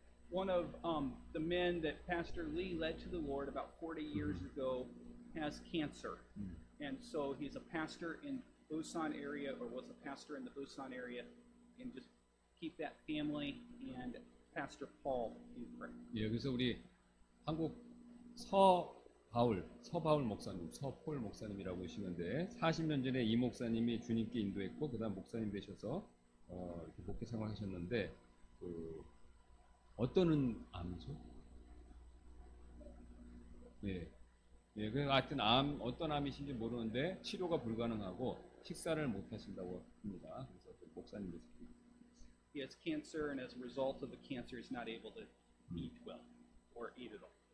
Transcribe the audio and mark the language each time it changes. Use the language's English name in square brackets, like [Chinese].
[English] One of the men that Pastor Lee led to the Lord about 40 years ago has cancer. And so he's a pastor in Busan area, or was a pastor in the Busan area, and just keep that family and Pastor Paul in prayer. [Korean] 예, 그래서 우리 한국 서 바울, 서바울 목사님, 서폴 목사님이라고 하시는데 40년 전에 이 목사님이 주님께 인도했고 그 다음 목사님 되셔서 이렇게 목회 생활 하셨는데 어떤 암이죠? 네, 예, 네, 하여튼 암, 어떤 암이신지 모르는데 치료가 불가능하고 식사를 못하신다고 합니다. 그래서 그 목사님 되셨습니다. [English] He has cancer and as a result of the cancer he's not able to eat well or eat at all.